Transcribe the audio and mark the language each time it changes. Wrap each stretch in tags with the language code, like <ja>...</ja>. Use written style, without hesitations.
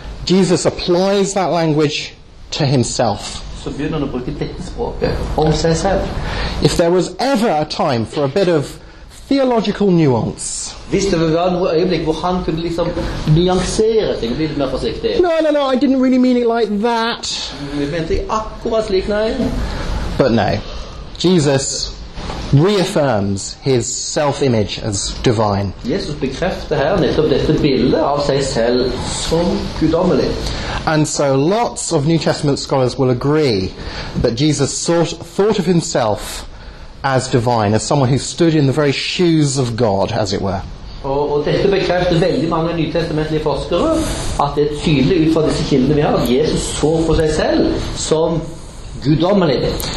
<en>Jesus applies that language to himself.</en> <no>Så begynner han å bruke dette språket om seg selv.</no> <en>If there was ever a time for a bit of theological nuance.</en> <no>Hvis det var noe øyeblikk hvor han kunne liksom nyansere ting litt mer forsiktig.</no> <en>No, I didn't really mean it like that.</en> <no>Jeg mente ikke akkurat slik, nei.</no> <en>But no, Jesus reaffirms his self-image as divine.</en> <no>Jesus bekrefter her nettopp dette bildet av seg selv som guddommelig.</no> <en>And so lots of New Testament scholars will agree that Jesus thought of himself as divine, as someone who stood in the very shoes of God, as it were.</en> <no>Og dette bekrefter veldig mange nytestamentlige forskere at det tydelig ut fra disse kildene vi har at Jesus så på seg selv som guddommelig.</no>